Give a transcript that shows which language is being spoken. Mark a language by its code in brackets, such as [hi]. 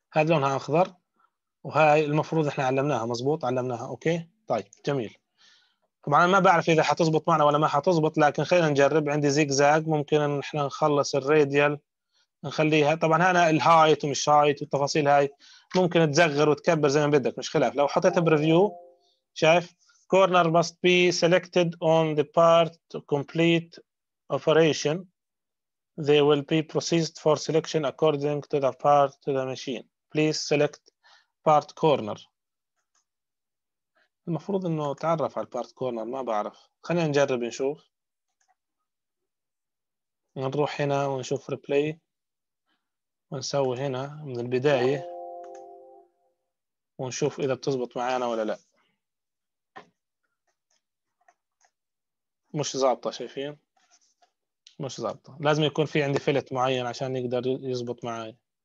[ar] هذا لونها أخضر وهاي المفروض إحنا علمناها مزبوط علمناها أوكي طيب جميل. طبعا ما بعرف إذا حتزبط معنا ولا ما حتزبط لكن خلينا نجرب. عندي زيجزاج ممكن إحنا نخلص الراديال نخليها طبعا هنا الهايت ومش هايت والتفاصيل هاي ممكن تزغر وتكبر زي ما بدك مش خلاف. لو حطيت بريفيو شايف [en] corner must be selected on the part to complete operation they will be processed for selection according to the part to the machine please select part corner. [ar] المفروض انه تعرف على part corner ما بعرف خلينا نجرب نشوف نروح هنا ونشوف replay ونسوي هنا من البداية ونشوف اذا بتزبط معانا ولا لا مش ظابطه شايفين مش ظابطه لازم يكون في عندي فلت معين عشان يقدر يزبط معي.